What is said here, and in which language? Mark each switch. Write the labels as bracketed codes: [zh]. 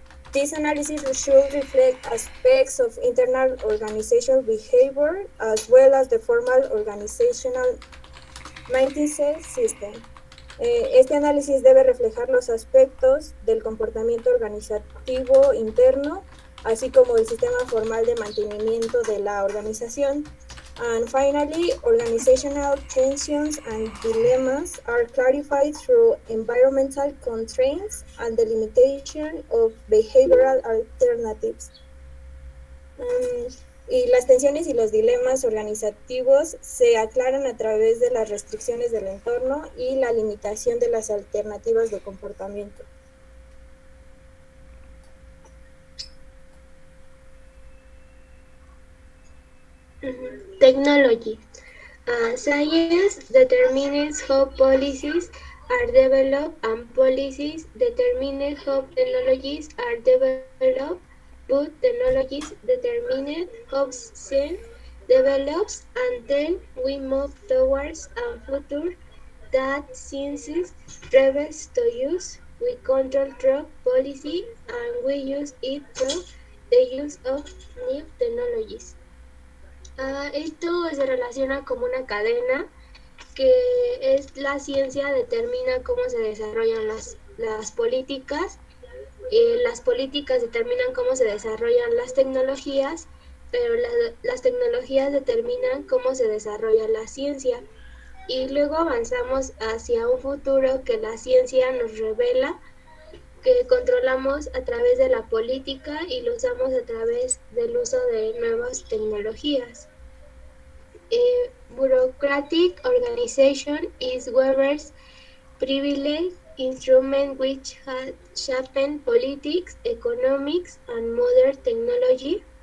[en] This analysis should reflect aspects of internal organizational behavior as well as the formal organizational mindset system. [es] Este análisis debe reflejar los aspectos del comportamiento organizativo interno, así como el sistema formal de mantenimiento de la organización. [en] And finally, organizational tensions and dilemmas are clarified through environmental constraints and the limitation of behavioral alternatives. [es] Y las tensiones y los dilemas organizativos se aclaran a través de las restricciones del entorno y la limitación de las alternativas de comportamiento. [en] Technology. Science determines how policies are developed, and policies determine how technologies are developed, but technologies determine how science develops, and then we move towards a future that science strives to use. We control drug policy and we use it through the use of new technologies. [es] Esto se relaciona como una cadena, que es la ciencia determina cómo se desarrollan las políticas, las políticas determinan cómo se desarrollan las tecnologías, pero las tecnologías determinan cómo se desarrolla la ciencia, y luego avanzamos hacia un futuro que la ciencia nos revela que controlamos a través de la política y lo usamos a través del uso de nuevas tecnologías. [en] Bureaucratic organization is Weber's privileged instrument which has shaped politics, economics, and modern technology.